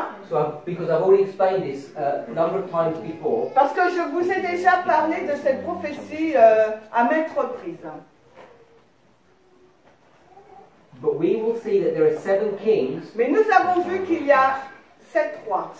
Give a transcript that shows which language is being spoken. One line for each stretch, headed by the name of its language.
English: So, because I've already explained this a number of times before.
French: Parce que je vous ai déjà parlé de cette prophétie à maintes reprises.
English: But we will see that there are seven kings.
French: Mais nous avons vu qu'il y a sept rois.